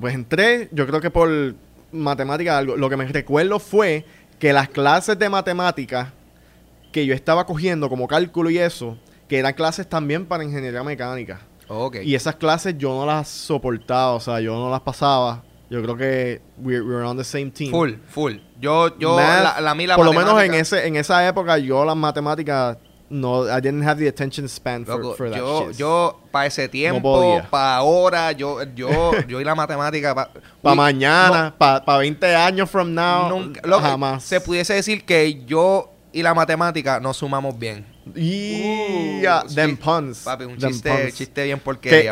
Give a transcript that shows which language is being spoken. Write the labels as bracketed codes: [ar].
[es] Pues entré, yo creo que por matemática algo. Lo que me recuerdo fue que las clases de matemática que yo estaba cogiendo como cálculo y eso... Que eran clases también para ingeniería mecánica. [en] Okay. [es] Y esas clases yo no las soportaba. O sea, yo no las pasaba. Yo creo que [en] we're on the same team. [es] Full. Yo, la por lo menos en esa época, yo las matemáticas [en] no, I didn't have the attention span for, loco, for that [es] yo, [en] shit. [es] Yo, para ese tiempo, no para ahora, yo y la matemática. Para pa mañana, no, para pa 20 años [en] from now, [es] nunca, loco, jamás. Se pudiese decir que yo y la matemática no sumamos bien. [en] Yeah, them puns. [es] Papi, un chiste, puns. Chiste bien porquería.